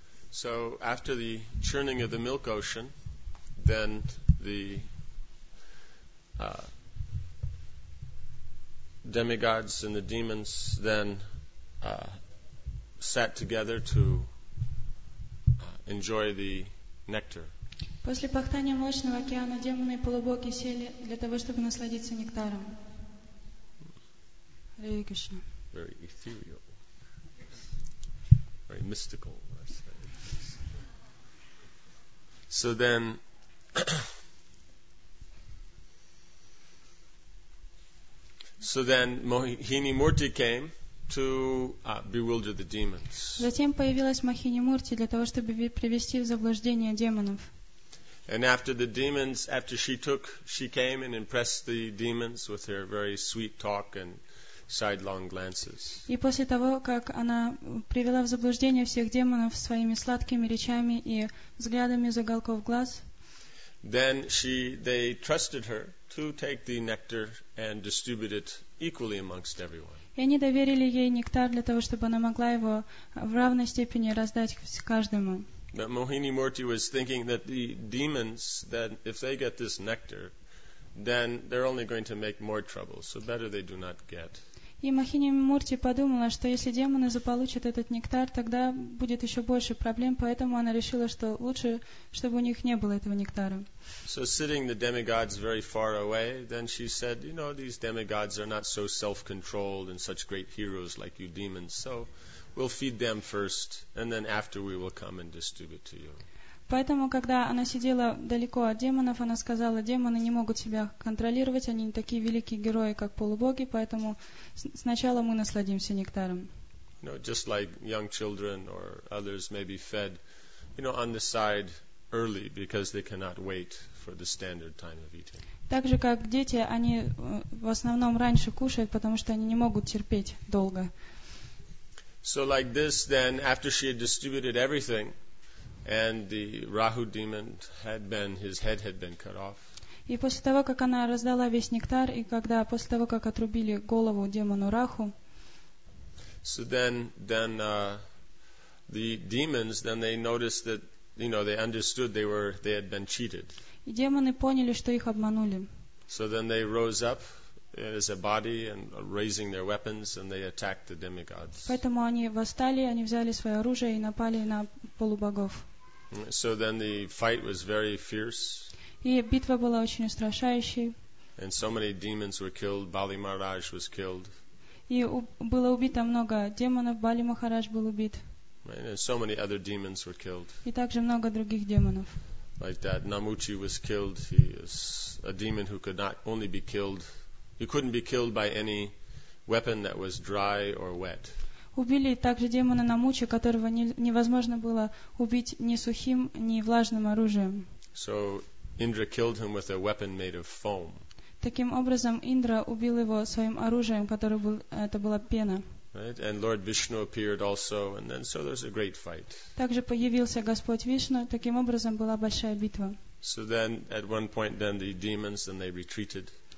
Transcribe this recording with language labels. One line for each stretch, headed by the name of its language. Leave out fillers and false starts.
English: So after the churning of the milk ocean, then the demigods and the demons then sat together to enjoy the nectar.
Russian: После пахтания молочного океана демоны и полубоги сели для того, чтобы насладиться нектаром.
English: Very ethereal. Very mystical. So then, Mohini Murti came to bewilder the demons.
Russian: Затем появилась Махини Мурти для того, чтобы привести в заблуждение демонов.
English: And after the demons, after she came and impressed the demons with her very sweet talk and sidelong glances.
Russian: И после того, как она привела в заблуждение всех демонов своими сладкими речами и взглядами из уголков глаз,
English: then they trusted her to take the nectar and distribute it equally amongst everyone.
Russian: И они доверили ей нектар для того, чтобы она могла его в равной степени раздать каждому.
English: But Mohini Murti was thinking that the demons, that if they get this nectar, then they're only going to make more trouble, so better they do not get.
Russian: И Махини Мурти подумала, что если демоны заполучат этот нектар, тогда будет еще больше проблем, поэтому она решила, что лучше, чтобы у них не было этого нектара.
English: So sitting the demigods very far away, then she said, you know, these demigods are not so self-controlled and such great heroes like you demons, so we'll feed them first, and then after we will come and distribute to you.
Russian: Поэтому, когда она сидела далеко от демонов, она сказала, демоны не могут себя контролировать, они не такие великие герои, как полубоги, поэтому сначала мы насладимся нектаром.
English: You know, just like young children or others may be fed, you know, on the side early because they cannot wait for the standard time of eating.
Russian: Так же, как дети, они в основном раньше кушают, потому что они не могут терпеть долго.
English: So like this, then, after she had distributed everything, and the Rahu demon had been, his head had been cut off.
Russian: И после того, как она раздала весь нектар, и когда после того, как отрубили голову демону Раху.
English: So the demons, then they noticed that, you know, they understood they had been cheated.
Russian: И демоны поняли, что их обманули.
English: So then they rose up as a body and raising their weapons, and they attacked the demigods.
Russian: Поэтому они восстали, они взяли свое оружие и напали на полубогов.
English: So then the fight was very fierce.
Russian: И битва была очень устрашающей.
English: And so many demons were killed. Bali Maharaj was killed.
Russian: И было убито много демонов. Бали Махарадж был убит.
English: And so many other demons were killed.
Russian: И также много других демонов.
English: Like that, Namuchi was killed. He is a demon who could not only be killed. He couldn't be killed by any weapon that was dry or wet.
Russian: Убили также демона Намучи, которого невозможно было убить ни сухим, ни влажным оружием.
English: So Indra killed him with a weapon made of foam.
Russian: Таким образом, Индра убил его своим оружием, которое был, это была пена.
English: Right? And Lord Vishnu appeared also, and then so there was a great fight.
Russian: Также появился Господь Вишну, таким образом была большая битва.
English: So then, at one point, then the demons, then they retreated.